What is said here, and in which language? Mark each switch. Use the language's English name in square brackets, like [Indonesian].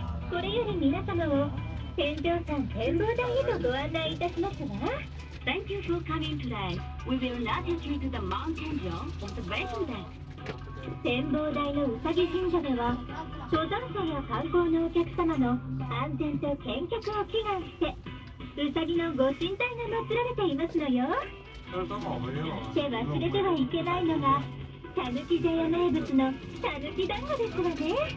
[Japanese] これより皆様を天井山展望台へとご案内いたしますわ。 [English] Thank you for coming today. We will now take you to the mountain zone for the waiting deck. [Japanese] 展望台のうさぎ神社では、登山者や観光のお客様の安全と健脚を祈願して、うさぎの御神体が祀られていますのよ。で、忘れてはいけないのが、たぬき茶屋名物のたぬき団子ですわね。